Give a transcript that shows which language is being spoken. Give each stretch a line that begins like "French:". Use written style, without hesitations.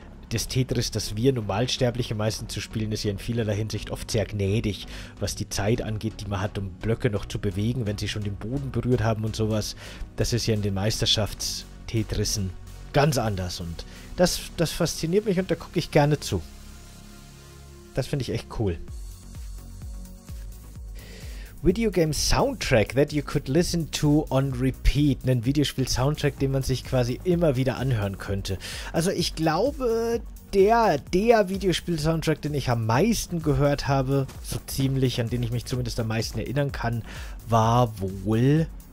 German: Des Tetris, das wir Normalsterbliche meistens zu spielen, ist ja in vielerlei Hinsicht oft sehr gnädig, was die Zeit angeht, die man hat, um Blöcke noch zu bewegen, wenn sie schon den Boden berührt haben und sowas. Das ist ja in den Meisterschafts-Tetrissen ganz anders und das fasziniert mich und da gucke ich gerne zu. Das finde ich echt cool.
English: Videogame Soundtrack that you could listen to on repeat.
German: Ein Videospiel-Soundtrack, den man sich quasi immer wieder anhören könnte. Also ich glaube, der Videospiel-Soundtrack, den ich am meisten gehört habe, so ziemlich, an den ich mich zumindest am meisten erinnern kann, war wohl...